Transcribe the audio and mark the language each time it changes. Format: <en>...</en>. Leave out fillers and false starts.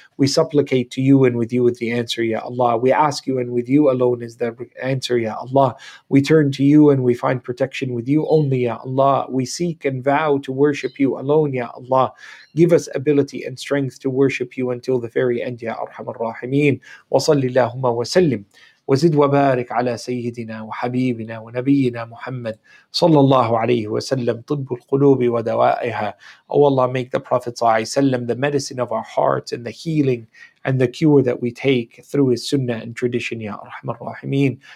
<en>We supplicate to you and with you with the answer, Ya Allah. We ask you and with you alone is the answer, Ya Allah. We turn to you and we find protection with you only, Ya Allah. We seek and vow to worship you alone, Ya Allah. Give us ability and strength to worship you until the very end, Ya Arhamar Rahimeen.</en> <ar>Wa salli Allahumma wa sallim. وزد وبارك على سيدنا وحبيبنا ونبينا محمد صلى الله عليه وسلم طب القلوب ودوائها.</ar> <en>Oh Allah, make the Prophet صلى الله عليه وسلم the medicine of our hearts and the healing and the cure that we take through his sunnah and tradition, ya arhamar rahimin.</en>